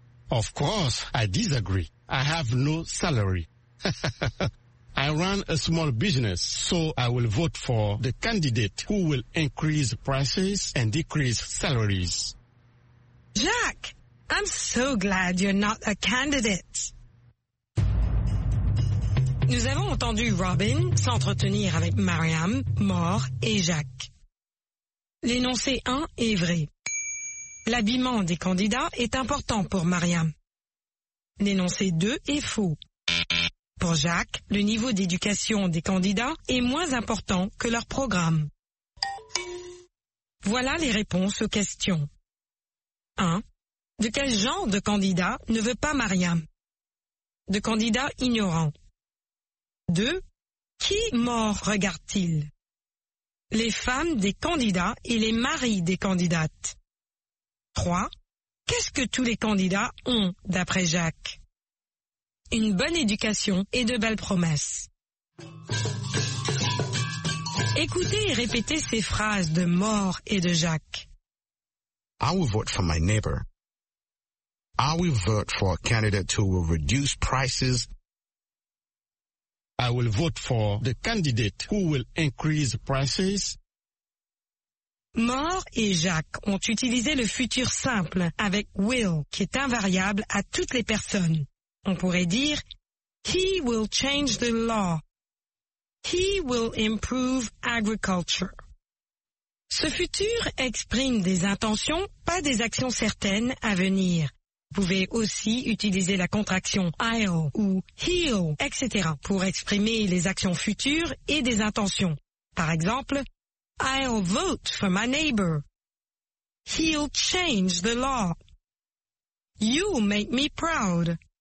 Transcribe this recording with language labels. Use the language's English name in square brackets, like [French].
[English] Of course, I disagree. I have no salary. I run a small business, so I will vote for the candidate who will increase prices and decrease salaries. Jacques, I'm so glad you're not a candidate. [French] Nous avons entendu Robin s'entretenir avec Mariam, Moore et Jacques. L'énoncé 1 est vrai. L'habillement des candidats est important pour Mariam. L'énoncé 2 est faux. Pour Jacques, le niveau d'éducation des candidats est moins important que leur programme. Voilà les réponses aux questions. 1. De quel genre de candidat ne veut pas Mariam? De candidat ignorant. 2. Qui mort regarde-t-il? Les femmes des candidats et les maris des candidates. 3. Qu'est-ce que tous les candidats ont, d'après Jacques? Une bonne éducation et de belles promesses. Écoutez et répétez ces phrases de Mort et de Jacques. [English] I will vote for my neighbor. I will vote for a candidate who will reduce prices. I will vote for the candidate who will increase prices. [French] Moore et Jacques ont utilisé le futur simple avec will, qui est invariable à toutes les personnes. On pourrait dire, [English] he will change the law. He will improve agriculture. [French] Ce futur exprime des intentions, pas des actions certaines à venir. Vous pouvez aussi utiliser la contraction I'll ou he'll, etc. pour exprimer les actions futures et des intentions. Par exemple, [English] I'll vote for my neighbor. He'll change the law. You'll make me proud.